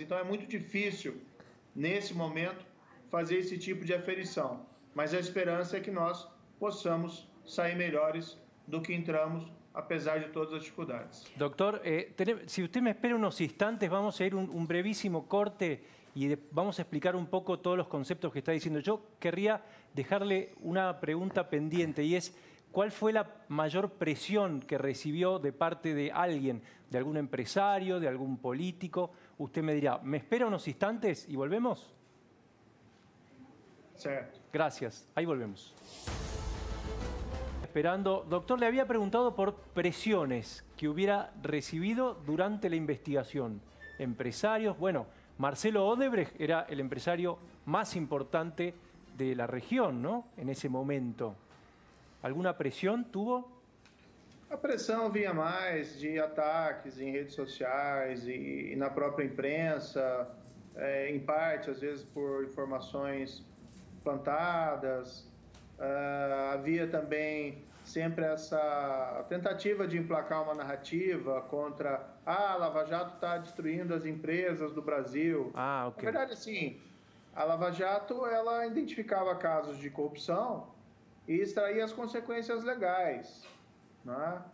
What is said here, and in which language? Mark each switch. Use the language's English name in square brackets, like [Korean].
[Portuguese] Então, é muito difícil, nesse momento, fazer esse tipo de aferição. Mas a esperança é que nós possamos sair melhores do que entramos, apesar de todas as dificuldades. Doutor, se você me espera uns instantes, [Spanish] vamos a ir [Portuguese] um brevíssimo corte [Spanish] y vamos a explicar un poco todos los conceptos que está diciendo. Yo querría dejarle una pregunta pendiente y es, ¿cuál fue la mayor presión que recibió de parte de alguien, de algún empresario, de algún político? Usted me dirá, ¿me espera unos instantes y volvemos? [Portuguese] Certo. [Spanish] Gracias, ahí volvemos. Esperando, doctor, le había preguntado por presiones que hubiera recibido durante la investigación. Empresarios, bueno, Marcelo Odebrecht era el empresario más importante de la región, ¿no? En ese momento. ¿Alguna presión tuvo? La presión vinha más de ataques en redes sociales y en la propia imprensa, en parte, a veces, por informaciones plantadas. [Portuguese] Havia também sempre essa tentativa de emplacar uma narrativa contra a Lava Jato está destruindo as empresas do Brasil. Ah, ok. Na verdade, sim, a Lava Jato ela identificava casos de corrupção e extraía as consequências legais, né?